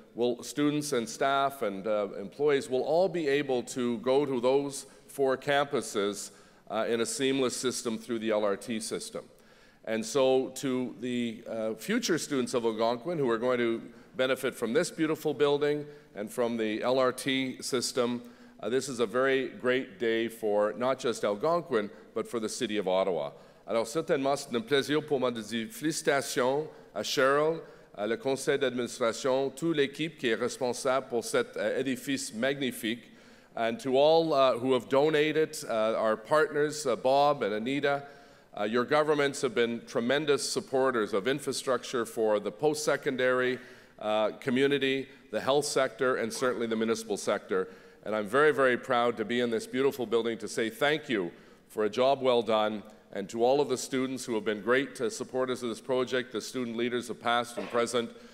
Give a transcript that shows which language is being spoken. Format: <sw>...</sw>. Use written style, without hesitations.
<en>Will students and staff and employees will all be able to go to those four campuses in a seamless system through the LRT system. And so to the future students of Algonquin who are going to benefit from this beautiful building and from the LRT system, this is a very great day for not just Algonquin, but for the city of Ottawa.</en> <fr>Alors certainement, c'est un plaisir pour moi de dire félicitations à Cheryl, à le conseil d'administration, toute l'équipe qui est responsable pour cet édifice magnifique,</fr> <en>and to all who have donated, our partners, Bob and Anita. Your governments have been tremendous supporters of infrastructure for the post-secondary community, the health sector, and certainly the municipal sector. And I'm very, very proud to be in this beautiful building to say thank you for a job well done, and to all of the students who have been great supporters of this project, the student leaders of past and present.</en>